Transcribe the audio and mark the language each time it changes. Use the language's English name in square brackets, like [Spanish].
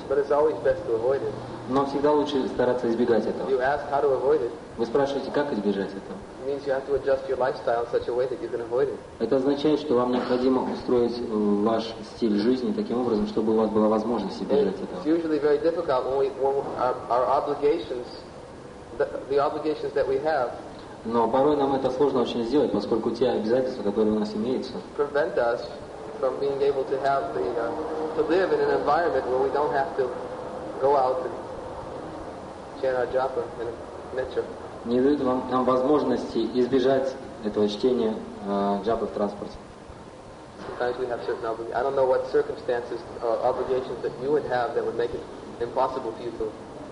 [English] But it's always best to avoid it. [Russian] Но всегда лучше стараться избегать этого. [English] You ask how to avoid it. [Russian] Вы спрашиваете, как избежать этого? Это означает, что вам необходимо устроить ваш стиль жизни таким образом, чтобы у вас была возможность избежать этого. [English] It's usually very difficult when our obligations, the obligations that we have. [Russian] Но порой нам это сложно очень сделать, поскольку те обязательства, которые у нас имеются, [English] prevent us from being able to have the to live in an environment where we don't have to go out and chant our japa in a metro. [Russian] Не дают вам там возможности избежать этого чтения джапы в транспорте. [English] Sometimes we have certain obligations. I don't know what circumstances or obligations that you would have that would make it impossible for you to